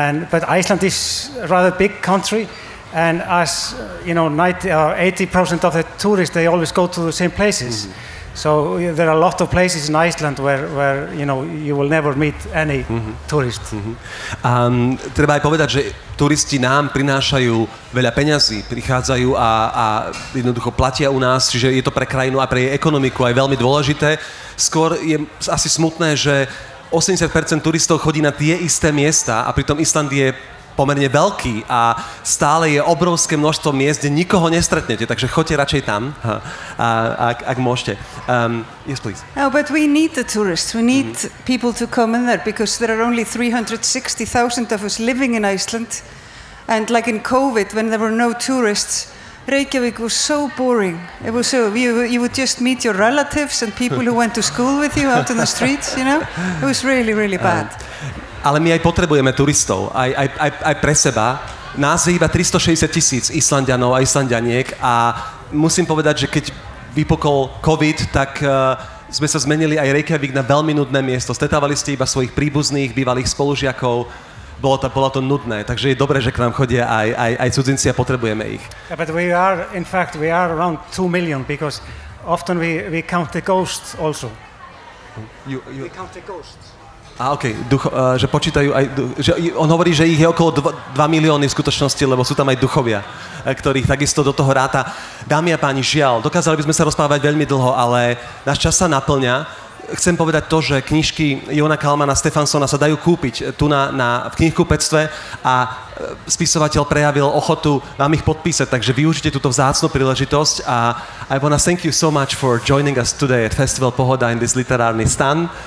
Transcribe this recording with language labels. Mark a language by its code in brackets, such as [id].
[en] But Iceland is a rather big country. And as you know, 80% of the tourists, they always go to the same places. Mm-hmm. So there are a lot of places in Iceland where you know you will never meet any tourist. Mm-hmm. [sk] Treba aj povedať, že turisti nám prinášajú veľa peňazí, prichádzajú a jednoducho platia u nás, čiže je to pre krajinu a pre jej ekonomiku aj veľmi dôležité. Skôr je asi smutné, že 80% turistov chodí na tie isté miesta a pritom Island je pomerne veľký a stále je obrovské množstvo miest, kde nikoho nestretnete, takže choďte radšej tam, ak môžete. [en] Yes, please. No, but we need the tourists. We need people to come in there because there are only 360,000 of us living in Iceland. And like in COVID, when there were no tourists, Reykjavik was so boring. It was so, you would just meet your relatives and people who went to school with you out in the streets, you know? It was really, really bad. [sk] Ale my aj potrebujeme turistov, aj pre seba. Nás je iba 360,000 Islandianov a Islandianiek a musím povedať, že keď vypukol COVID, tak sme sa zmenili aj Reykjavík na veľmi nudné miesto. Stretávali ste iba svojich príbuzných, bývalých spolužiakov, bolo to nudné, takže je dobré, že k nám chodia aj cudzinci a potrebujeme ich. [en] Yeah, but we are, in fact, we are around 2 million, because often we count the ghosts also. We count the ghosts. [sk] A okej, že počítajú aj, že on hovorí, že ich je okolo 2 milióny v skutočnosti, lebo sú tam aj duchovia, ktorých takisto do toho ráta. Dámy a páni, žiaľ, dokázali by sme sa rozprávať veľmi dlho, ale náš čas sa naplňa. chcem povedať to, že knižky Jóna Kalmana Stefánssona sa dajú kúpiť tu na v knihkupectve a spisovateľ prejavil ochotu vám ich podpísať, takže využite túto vzácnu príležitosť a [en] I want to thank you so much for joining us today at Festival Pohoda in this [sk] literárny stan.